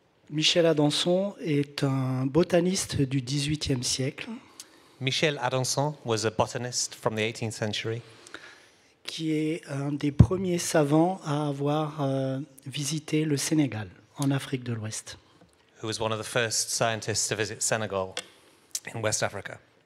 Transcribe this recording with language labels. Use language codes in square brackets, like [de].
[fr] Michel Adanson est un botaniste du 18e siècle. [en] Michel Adanson was a botanist from the 18th century. [fr] Qui est un des premiers savants à avoir visité le Sénégal en Afrique de l'Ouest. [en] Who was one of the first scientists to visit Senegal in West Africa.